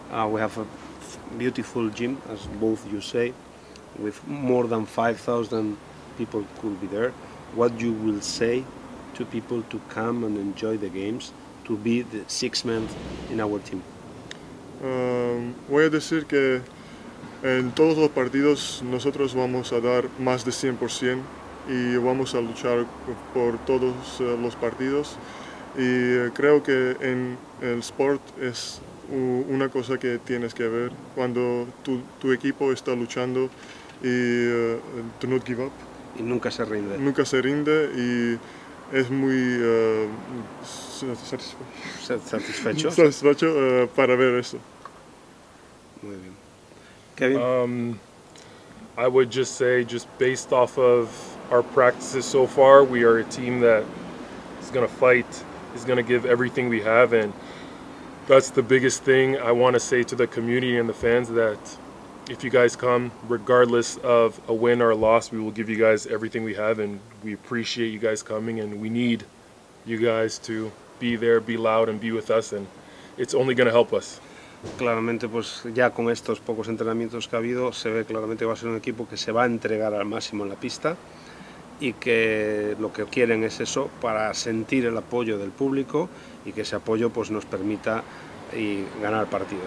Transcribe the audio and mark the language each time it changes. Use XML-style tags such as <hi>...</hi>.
<en>We have a beautiful gym, as both you say, with more than 5,000 people could be there. What you will say to people to come and enjoy the games, to be the sixth man in our team?</en> <es>Voy a decir que en todos los partidos nosotros vamos a dar más de 100% y vamos a luchar por todos los partidos. Y creo que en el sport es una cosa que tienes que ver cuando tu equipo está luchando y</es> <en>do not give up.</en> <es>Y nunca se rinde. Nunca se rinde y es muy satisfecho. Satisfecho para ver eso. Muy bien. Kevin.</es> <en>I would just say, just based off of our practices so far, we are a team that is going to fight. Is going to give everything we have, and that's the biggest thing I want to say to the community and the fans, that if you guys come, regardless of a win or a loss, we will give you guys everything we have, and we appreciate you guys coming, and we need you guys to be there, be loud, and be with us, and it's only going to help us.</en> <es>Claramente, pues ya con estos pocos entrenamientos que ha habido, se ve claramente que va a ser un equipo que se va a entregar al máximo en la pista. Y que lo que quieren es eso, para sentir el apoyo del público y que ese apoyo pues nos permita y ganar partidos.</es>